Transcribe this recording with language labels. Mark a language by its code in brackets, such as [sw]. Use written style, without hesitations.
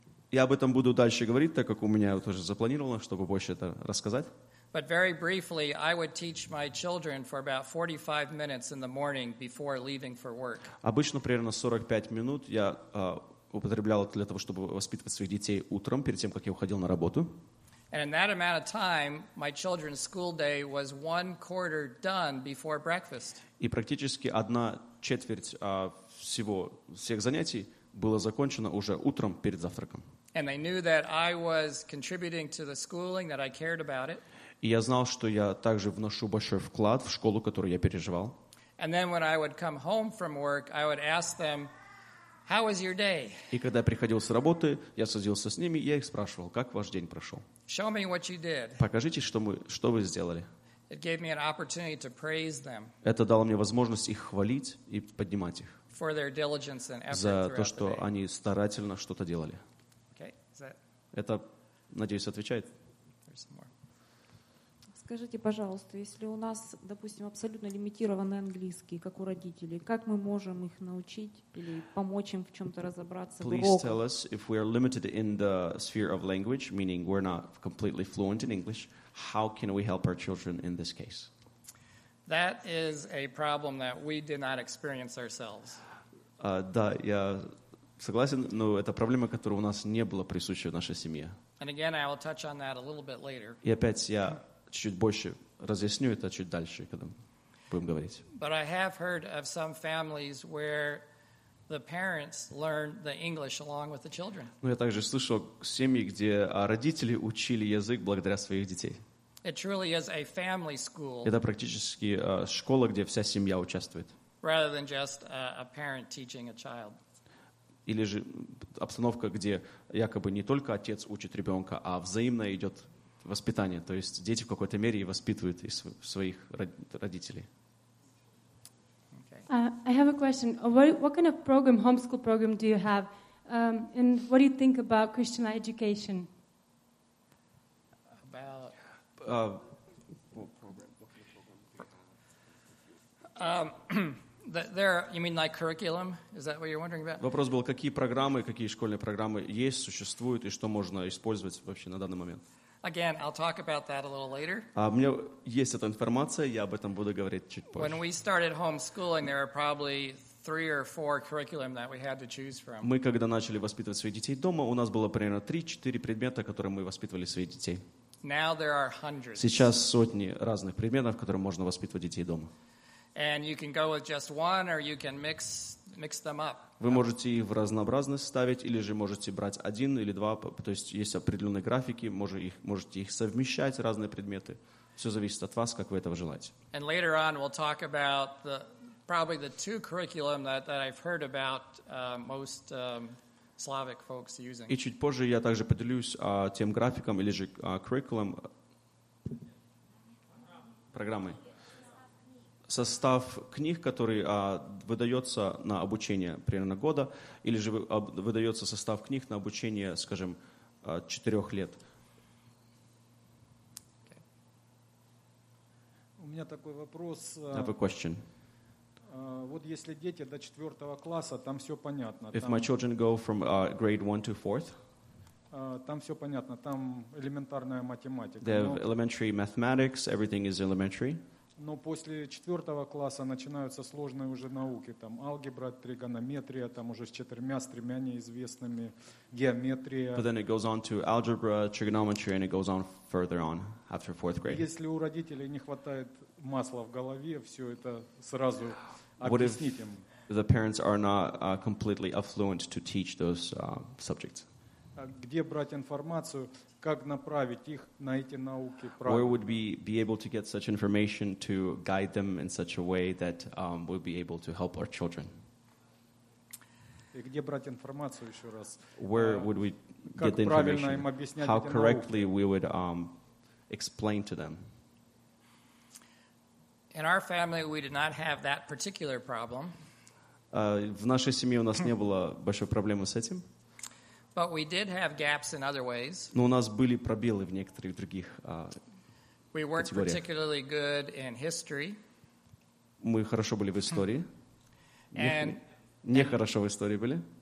[ru] Я об этом буду дальше говорить, так как у меня тоже запланировано, чтобы больше это рассказать. [en] But very briefly, I would teach my children for about 45 minutes in the morning before leaving for work. [ru] Обычно примерно 45 минут я употреблял для того, чтобы воспитывать своих детей утром перед тем, как я уходил на работу. [en] And in that amount of time, my children's school day was one quarter done before breakfast. [ru] И практически одна четверть всех занятий было закончено уже утром перед завтраком. [en] And they knew that I was contributing to the schooling, that I cared about it. [ru] И я знал, что я также вношу большой вклад в школу, которую я переживал. [en] And then when I would come home from work, I would ask them, "How was your day?" [ru] И когда я приходил с работы, я садился с ними, и я их спрашивал, как ваш день прошел. [en] Show me what you did. [ru] Покажите, что вы сделали. [en] It gave me an opportunity to praise them. [ru] Это дало мне возможность их хвалить и поднимать их. [en] For their diligence and effort. [ru] За то, что они старательно что-то делали. [en] Okay. Is that... [ru] Это, надеюсь, отвечает. Скажите, пожалуйста, если у нас, допустим, абсолютно лимитированный английский, как у родителей, как мы можем их научить или помочь им в чем-то разобраться? [en] Please tell us if we are limited in the sphere of language, meaning we're not completely fluent in English, how can we help our children in this case? That is a problem that we did not experience ourselves. [ru] Да, я согласен, но это проблема, которая у нас не была присуща в нашей семье. [en] And again, I will touch on that a little bit later. [ru] И опять я чуть больше разъясню это чуть дальше, когда будем говорить. [en] But I have heard of some families where the parents learn the English along with the children. [ru] Но я также слышал семьи, где родители учили язык благодаря своих детей. [en] It truly is a family school. [ru] Это практически школа, где вся семья участвует. [en] Rather than just a parent teaching a child. [ru] Или же обстановка, где якобы не только отец учит ребенка, а взаимно идет воспитание, то есть дети в какой-то мере и воспитывают из своих родителей. [en] I have a question. What kind of program, homeschool program, do you have? And what do you think about Christian education? About you mean like curriculum? Is that what you're wondering about? [ru] Вопрос был, какие программы, какие школьные программы есть, существуют и что можно использовать вообще на данный момент? [en] Again, I'll talk about that a little later. [ru] У меня есть эта информация, я об этом буду говорить чуть позже. [en] When we started homeschooling, there were probably 3 or 4 curriculum that we had to choose from. [ru] Мы когда начали воспитывать своих детей дома, у нас было примерно 3-4 предмета, которые мы воспитывали своих детей. [en] Now there are hundreds. [ru] Сейчас сотни разных предметов, которые можно воспитывать детей дома. [en] And you can go with just one, or you can mix them up. [ru] Вы можете их в разнообразность ставить, или же можете брать один или два, то есть есть определенные графики, можете их совмещать, разные предметы. Все зависит от вас, как вы этого желаете. [en] And later on we'll talk about probably the two curriculum that I've heard about most Slavic folks using. [ru] И чуть позже я также поделюсь тем графиком или же curriculum программой. Состав книг, который выдается на обучение примерно года, или же выдается состав книг на обучение, скажем, 4 лет. [en] Okay. [ru] У меня такой вопрос. [en] I have a question. [ru] Вот если дети до 4 класса, там все понятно. [en] If my children go from grade 1 to 4th, [ru] там все понятно, там элементарная математика. [en] They have elementary mathematics, everything is elementary. [ru] Но после 4 класса начинаются сложные уже науки, там алгебра, тригонометрия, там уже с тремя неизвестными, геометрия. [en] But then it goes on to algebra, trigonometry, and it goes on further on after 4th grade. [ru] Если у родителей не хватает масла в голове, все это сразу объяснить им. [en] What if the parents are not completely affluent to teach those subjects? [ru] Где брать информацию, как направить их на эти науки? [en] Where would we be able to get such information to guide them in such a way that we'll be able to help our children? [ru] И где брать информацию еще раз? [en] Where would we get the information? [ru] Им объяснять эти науки? [en] How correctly we would explain to them? In our family, we did not have that particular problem. [ru] В нашей семье у нас не было большой проблемы с этим. [en] But we did have gaps in other ways. [ru] Но у нас были пробелы в некоторых других [en] We weren't particularly good in history. [ru] Мы хорошо были в истории. [en] And [ru] не хорошо в истории были.